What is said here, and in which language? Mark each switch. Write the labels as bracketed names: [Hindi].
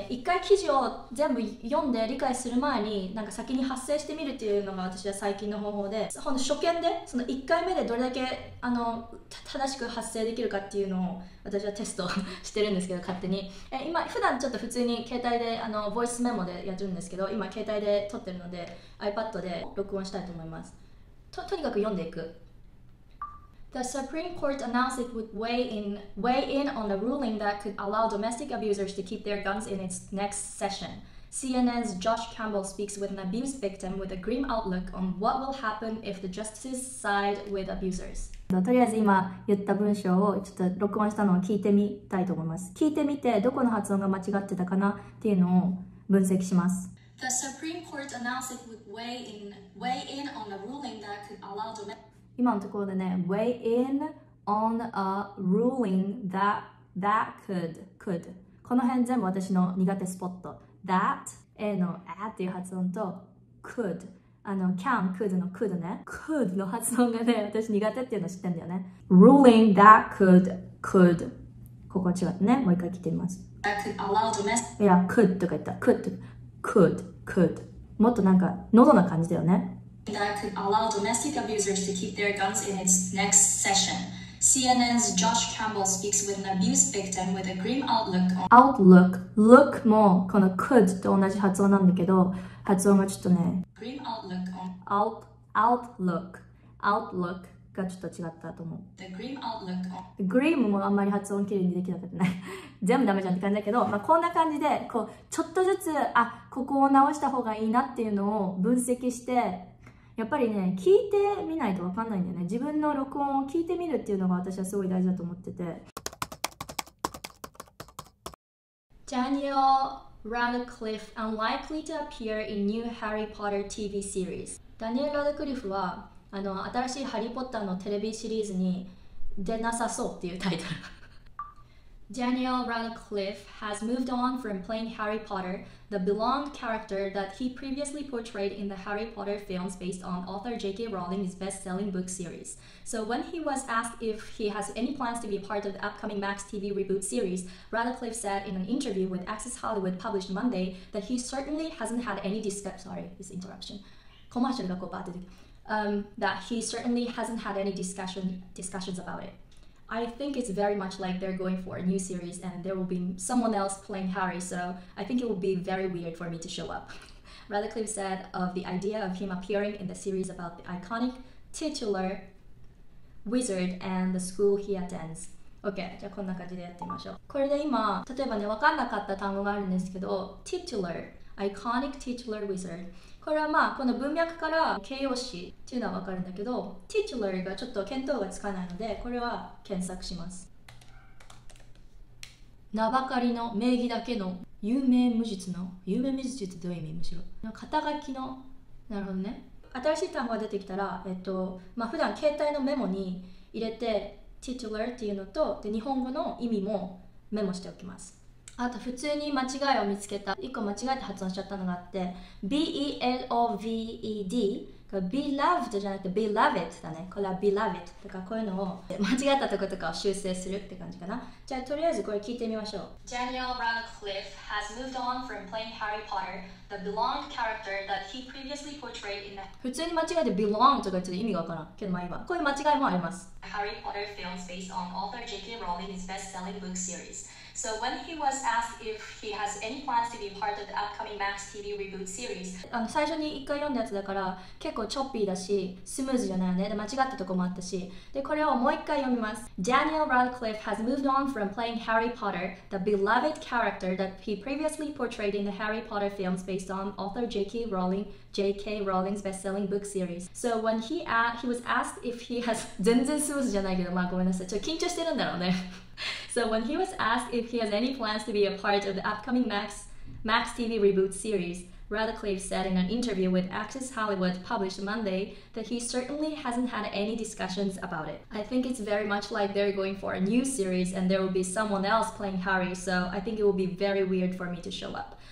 [Japanese] 一回記事を全部読んで理解する前に、なんか先に発声してみるっていうのが私は最近の方法で、初見でその1回目でどれだけ正しく発声できるかっていうのを私はテストしてるんですけど、勝手に今普段ちょっと普通に携帯でボイスメモでやってるんですけど、今携帯で撮ってるのでiPad で録音したいと思います。とにかく読んでいく。 [English] The Supreme Court announced it would weigh in on a ruling that could allow domestic abusers to keep their guns in its next session. CNN's Josh Campbell speaks with an abuse victim with a grim outlook on what will happen if the justices side with abusers. [Japanese] とりあえず今言った文章をちょっと録音したのを聞いてみたいと思います。聞いてみてどこの発音が間違ってたかなっていうのを分析します。 [English] The Supreme Court announced it would weigh in on a ruling that could allow domestic. [Japanese] 今のところでね、 [English] weigh in on a ruling that could. [Japanese] この辺全部私の苦手スポット。 [English] that a [Japanese] のあっていう発音と [English] could can could [Japanese] の could ね。 could の発音がね、私苦手っていうの知ってんだよね。 [English] ruling that could。 [Japanese] ここは違ったね。もう一回聞いてみます。 [English] That could allow domestic. [Japanese] いや、could とか言った。could。 [English] Could, could. [Japanese] もっとなんか喉な感じだよね。 [English] That could allow domestic abusers to keep their guns in its next session. CNN's Josh Campbell speaks with an abuse victim with a grim outlook on... [Japanese] Outlook. Look もこの could と同じ発音なんだけど、発音がちょっとね。 [English] Grim outlook on... [Japanese] Outlook. Outlook がちょっと違ったと思う。 [English] The grim outlook on... [Japanese] Grim もあんまり発音きれいにできなかったね。全部ダメじゃんって感じだけど、まあ、こんな感じでこうちょっとずつここを直した方がいいなっていうのを分析して、やっぱりね聞いてみないと分かんないんだよね。自分の録音を聞いてみるっていうのが私はすごい大事だと思ってて。 [English] ジャニエル・ラドクリフ unlikely to appear in new Harry Potter TV series。 [Japanese] ダニエル・ラドクリフは新しいハリーポッターのテレビシリーズに出なさそうっていうタイトル。 [English] Daniel Radcliffe has moved on from playing Harry Potter, the beloved character that he previously portrayed in the Harry Potter films based on author J.K. Rowling's best-selling book series. So when he was asked if he has any plans to be part of the upcoming Max TV reboot series, Radcliffe said in an interview with Access Hollywood published Monday that he certainly hasn't had any discussions about it. I think it's very much like they're going for a new series and there will be someone else playing Harry, so I think it will be very weird for me to show up. Radcliffe said of the idea of him appearing in the series about the iconic titular wizard and the school he attends. [Japanese] OK, じゃあこんな感じでやってみましょう。これで今、例えばね、分かんなかった単語があるんですけど、titular、 [English] iconic titular wizard。 [Japanese] これはまあ、この文脈から形容詞っていうのは分かるんだけど、titular がちょっと見当がつかないので、これは検索します。名ばかりの名義だけの有名無実の、有名無実ってどういう意味、むしろ。肩書きの、なるほどね。新しい単語が出てきたら、まあ、普段携帯のメモに入れて、titular っていうのと、で、日本語の意味もメモしておきます。あと、普通に間違いを見つけた、一個間違えて発音しちゃったのがあって、beloved、beloved じゃなくて beloved だね。これは beloved とか、こういうのを間違ったところとかを修正するって感じかな。じゃあ、とりあえずこれ聞いてみましょう。 [English] Daniel Radcliffe has moved on from playing Harry Potter, the belonged character that he previously portrayed in the... [Japanese] 普通に間違えて belong とか言って意味がわからん。けど、まあ今、こういう間違いもあります。 [English] Harry Potter films based on author J.K. Rowling's best-selling book series. So when he was asked if he has any plans to be part of the upcoming Max TV reboot series, [Japanese] 最初に一回読んだやつだから結構チョッピーだしスムーズじゃないよね。で間違ったとこもあったし。でこれをもう一回読みます。 [English] Daniel Radcliffe has moved on from playing Harry Potter, the beloved character that he previously portrayed in the Harry Potter films based on author J.K. Rowling's best-selling book series. So when he was asked if he has [Japanese] 全然スムーズじゃないけどまあごめんなさい。ちょっと緊張してるんだろうね。 [English] So when he was asked if he has any plans to be a part of the upcoming Max TV reboot series, Radcliffe said in an interview with Access Hollywood published Monday that he certainly hasn't had any discussions about it. I think it's very much like they're going for a new series and there will be someone else playing Harry, so I think it will be very weird for me to show up.